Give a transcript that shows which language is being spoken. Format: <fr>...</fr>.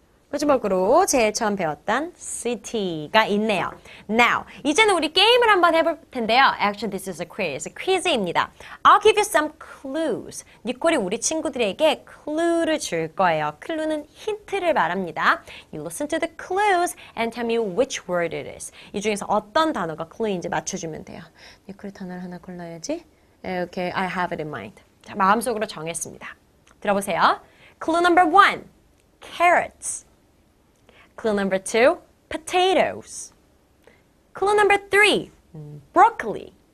<ko>마지막으로 제일 처음 배웠던 city가 있네요. Now, 이제는 우리 게임을 한번 해볼 텐데요.</ko> <en>Actually, this is a quiz.</en> <ko>퀴즈입니다.</ko> <en>I'll give you some clues.</en> <ko>니콜이 우리 친구들에게 clue를 줄 거예요. 클루는 힌트를 말합니다.</ko> <en>You listen to the clues and tell me which word it is.</en> <ko>이 중에서 어떤 단어가 clue인지 맞춰주면 돼요. 니콜이 단어를 하나 골라야지.</ko> <en>Okay, I have it in mind.</en> <ko>자, 마음속으로 정했습니다. 들어보세요.</ko> <en>Clue number one. Carrots. Clue number two, potatoes. Clue number three, broccoli.</en>